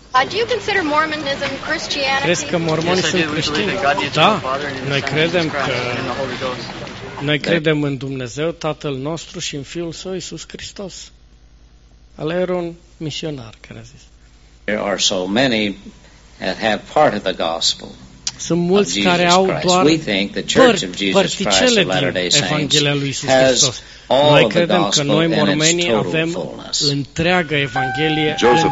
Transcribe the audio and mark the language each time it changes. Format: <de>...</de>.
<en>Do you consider Mormonism Christianity?</en> <ro>Crezi că mormonii sunt creștini? Da, noi credem că noi credem în Dumnezeu, Tatăl nostru și în Fiul Său, Iisus Hristos. Ale era un misionar care a zis.</ro> <en>There are so many that have part of the gospel.</en> <ro>Sunt mulți care au doar părticele din Evanghelia lui Iisus Hristos. Noi credem că noi mormenii avem întreaga Evanghelie în</ro>